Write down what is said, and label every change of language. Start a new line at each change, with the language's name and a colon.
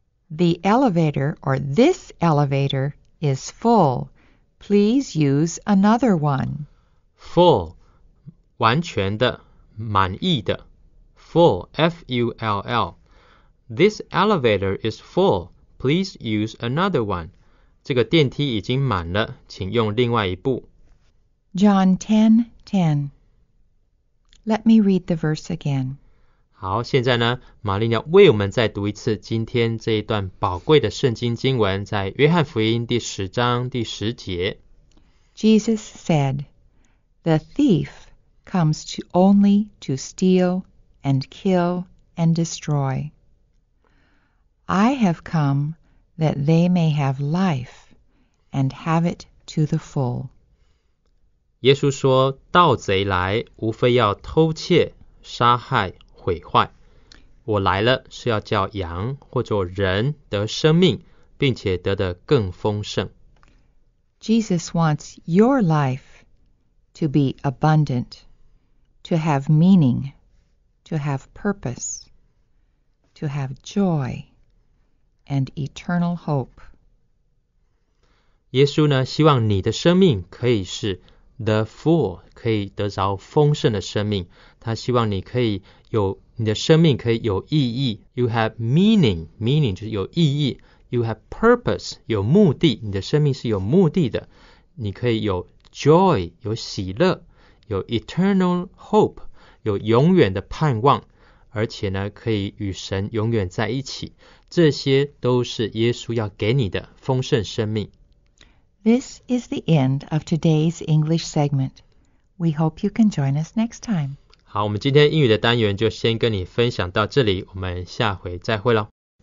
English: The elevator or this elevator is full. Please use another one.
Chinese: Full, 完全的，满意的。
English: Full, F-U-L-L. This elevator is full. Please use another one.
Chinese: 这个电梯已经满了，请用另外一部。
English: John 10:10. Let me read the verse again.
Chinese: 好，现在呢，玛丽要为我们再读一次今天这一段宝贵的圣经经文，在约翰福音第十章第十节。
English: Jesus said, The thief comes to only to steal and kill and destroy. I have come that they may have life and have it to the full.
Chinese: 耶稣说，盗贼来，无非要偷窃、杀害、毁坏。我来了，是要叫羊或者人得生命，并且得的更丰盛。
English: Jesus wants your life to be abundant, to have meaning, to have purpose, to have joy and eternal hope.
Chinese: 耶稣呢，希望你的生命可以是
English: the full,
Chinese: 可以得着丰盛的生命。他希望你可以有，你的生命可以有意义。
English: You have meaning, meaning
Chinese: 就是有意义。
English: You have purpose,
Chinese: 有目的，你的生命是有目的的。你可以有 joy, 有喜乐，有
English: eternal hope,
Chinese: 有永远的盼望，而且呢，可以与神永远在一起。这些都是耶稣要给你的丰盛生命。
English: This is the end of today's English segment. We hope you can join us next time.
Chinese: 好，我们今天英语的单元就先跟你分享到这里，我们下回再会咯。